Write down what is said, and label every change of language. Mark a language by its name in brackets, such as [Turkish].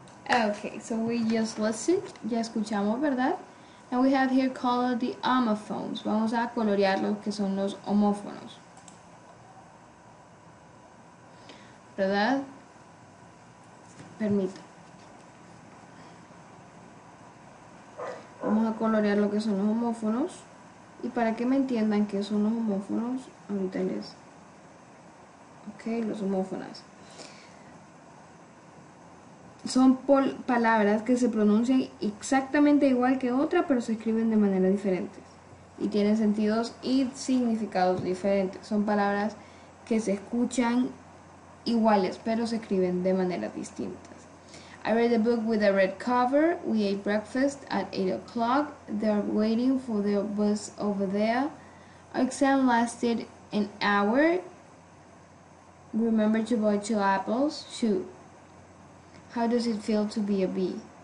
[English] Okay, so we just listened. [Spanish] Ya escuchamos, ¿verdad? [English] And we have here colored the homophones. [Spanish] Vamos a colorear los que son los homófonos. ¿Verdad? Permita. Vamos a colorear lo que son los homófonos. Y para que me entiendan qué son los homófonos, ahorita les... Ok, los homófonas. Son palabras que se pronuncian exactamente igual que otra, pero se escriben de manera diferente. Y tienen sentidos y significados diferentes. Son palabras que se escuchan iguales, pero se escriben de manera distinta. [English] I read a book with a red cover. We ate breakfast at 8 o'clock. They're waiting for their bus over there. Our exam lasted an hour. Remember to buy 2 apples. 2. How does it feel to be a bee?